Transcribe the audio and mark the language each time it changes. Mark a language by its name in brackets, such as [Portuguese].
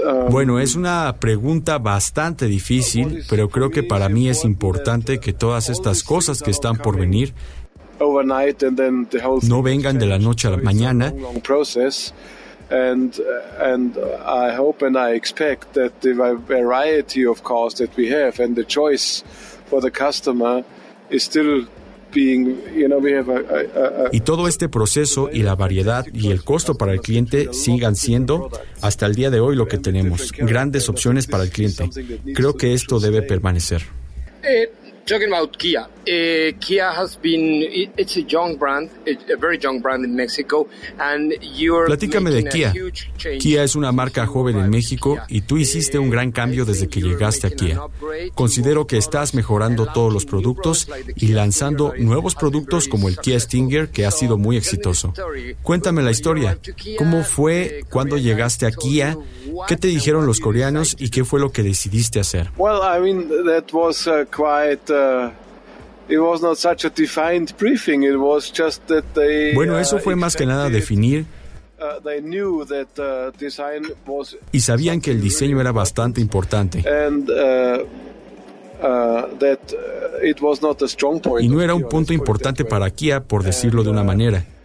[Spanish] Bueno, es una pregunta bastante difícil, pero creo que para mí es importante que todas estas cosas que están por venir no vengan de la noche a la mañana. [English] And I hope and I expect that the variety of cars that we have and the choice for the customer is still being, we have [Spanish] y todo este proceso y la variedad y el costo para el cliente sigan siendo hasta el día de hoy lo que tenemos, grandes opciones para el cliente. Creo que esto debe permanecer. [English] Talking about Kia. Kia has been, it's a young brand, a very young brand in Mexico, and you're [Spanish] Platícame de Kia. Kia es una marca joven en México y tú hiciste un gran cambio desde que llegaste a Kia. Considero que estás mejorando todos los productos y lanzando nuevos productos como el Kia Stinger, que ha sido muy exitoso. Cuéntame la historia. ¿Cómo fue cuando llegaste a Kia? ¿Qué te dijeron los coreanos y qué fue lo que decidiste hacer? [English] Well, I mean, that was it was not such a defined briefing. It was just that they. [Spanish] Bueno, eso fue más que nada definir. [English] They knew that design was. [Spanish] Y sabían que el diseño era bastante importante. [English] And that it was not a strong point. [Spanish] Y no era un punto importante para Kia, por decirlo de una manera.